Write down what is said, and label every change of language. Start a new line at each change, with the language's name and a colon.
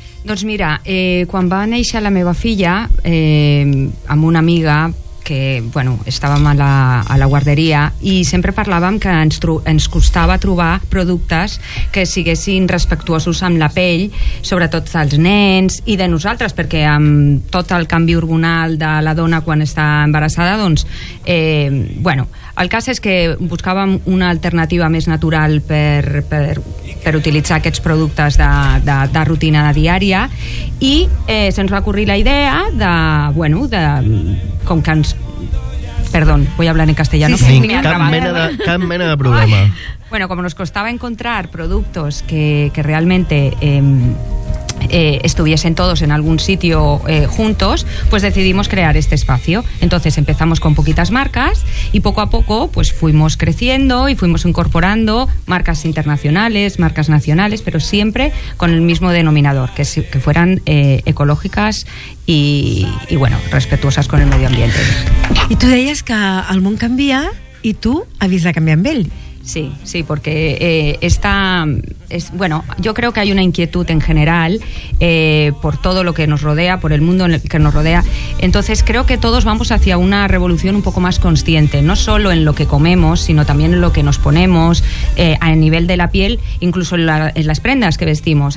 Catalan: Doncs mira, quan va néixer la meva filla, amb una amiga que, bueno, estàvem a la guarderia, i sempre parlàvem que ens costava trobar productes que siguessin respectuosos amb la pell, sobretot dels nens i de nosaltres, perquè amb tot el canvi hormonal de la dona quan està embarassada, doncs, bueno, el cas és que buscàvem una alternativa més natural per utilitzar aquests productes de rutina diària, i se'ns va ocorrir la idea de, bueno, de com que ens...
Spanish: Perdón, voy a hablar en castellano.
Catalan: Sí, sí, cap mena de problema. Ai.
Spanish: Bueno, como nos costaba encontrar productos que realmente estuviesen todos en algún sitio juntos, pues decidimos crear este espacio. Entonces empezamos con poquitas marcas y poco a poco pues fuimos creciendo y fuimos incorporando marcas internacionales, marcas nacionales, pero siempre con el mismo denominador, que fueran ecológicas y bueno, respetuosas con el medio ambiente.
Catalan: Y tú deies que el món canvia y tú
Spanish: habéis de
Catalan: canviar amb ell.
Spanish: Sí, sí, porque bueno, yo creo que hay una inquietud en general por todo lo que nos rodea, por el mundo en el que nos rodea. Entonces creo que todos vamos hacia una revolución un poco más consciente, no solo en lo que comemos, sino también en lo que nos ponemos a nivel de la piel, incluso en las prendas que vestimos.